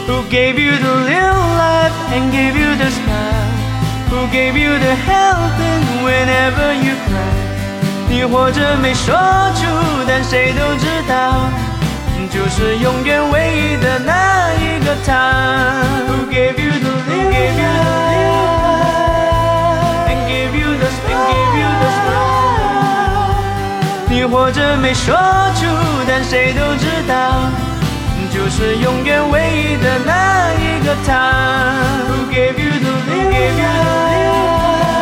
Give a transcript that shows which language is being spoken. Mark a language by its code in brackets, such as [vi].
[en] Gave you the little laugh and gave you the smile. Who gave you the help and whenever you cry? [zh] 你或者没说出，但谁都知道，就是永远唯一的那一个他。 [en] Who gave you the little laugh and gave you the smile? [zh] 你或者没说出，但谁都知道。就是永远唯一的那一个他。 [en] Who gave you the little light?